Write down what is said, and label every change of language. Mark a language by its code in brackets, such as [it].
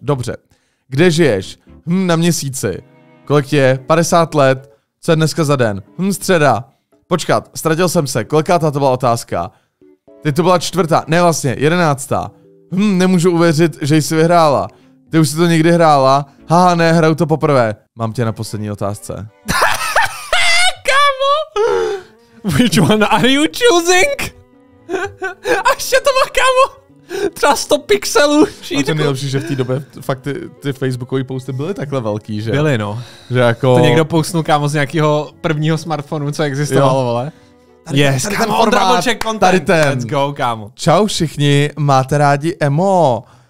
[cs] Dobře. Kde žiješ? Na měsíci. Kolik tě je? 50 let. Co je dneska za den? Středa. Počkat, ztratil jsem se. Koliká to byla otázka? Ty to byla 4. Ne, vlastně, 11. Nemůžu uvěřit, že jsi vyhrála. Ty už jsi to někdy hrála? Haha, ne, hraju to poprvé. Mám tě na poslední otázce. [en] Which one are you choosing? [cs] Až je to má, kámo. Třeba 100 pixelů. A to nejlepší, že v té době fakt ty facebookové posty byly takhle velký, že? Byly, no. Že jako... To někdo postnul, kámo, z nějakého prvního smartphonu, co existovalo, vole. [en] Yes, [cs] tady kámo, [en] on double check content. [cs] Tady ten. [en] Let's go, kámo. [cs] Čau všichni, máte rádi emo?